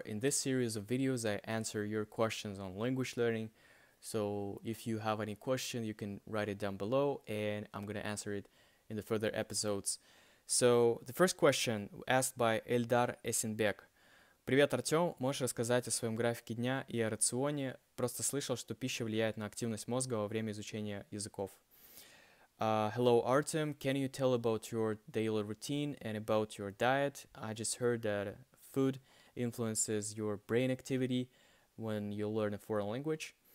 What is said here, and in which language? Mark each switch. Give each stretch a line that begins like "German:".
English: In this series of videos I answer your questions on language learning. So if you have any question you can write it down below and I'm going to answer it in the further episodes. So the first question asked by Eldar Esenbek.
Russian: Привет, Артём, можешь рассказать о своём графике дня и о рационе? Просто слышал, что пища влияет на активность мозга во время изучения языков.
English: Hello, Artem. Can you tell about your daily routine and about your diet? I just heard that food influences your brain activity when you learn a foreign language.